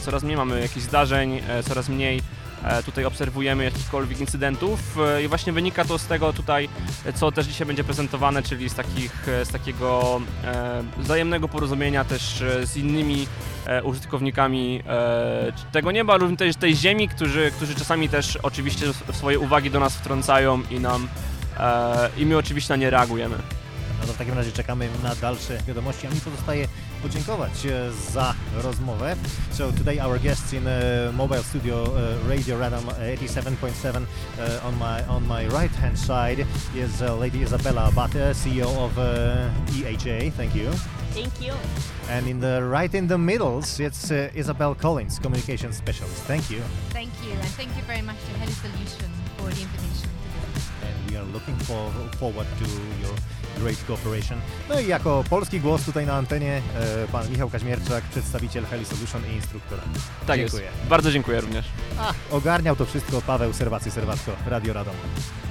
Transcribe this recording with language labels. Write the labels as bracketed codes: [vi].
[pl] Coraz mniej mamy jakichś zdarzeń, coraz mniej tutaj obserwujemy jakichkolwiek incydentów i właśnie wynika to z tego tutaj, co też dzisiaj będzie prezentowane, czyli z takiego wzajemnego porozumienia też z innymi użytkownikami tego nieba, również tej ziemi, którzy czasami też oczywiście swoje uwagi do nas wtrącają i nam i my oczywiście na nie reagujemy. No to w takim razie czekamy na dalsze wiadomości, a mi pozostaje podziękować za rozmowę. [en] So today our guests in Mobile Studio Radio Radom 87.7 on my right hand side is Lady Isabella Abate, CEO of EHA. Thank you. Thank you. And in the right in the middle, it's Isabel Collins, Communications Specialist. Thank you. Thank you, and thank you very much to HeliSolutions for the invitation. We are looking forward to your great cooperation. [pl] No i jako polski głos tutaj na antenie pan Michał Kaźmierczak, przedstawiciel HeliSolution i instruktor. Tak dziękuję. Jest. Bardzo dziękuję również. Ogarniał to wszystko Paweł Serwacy, Serwacko, Radio Radom.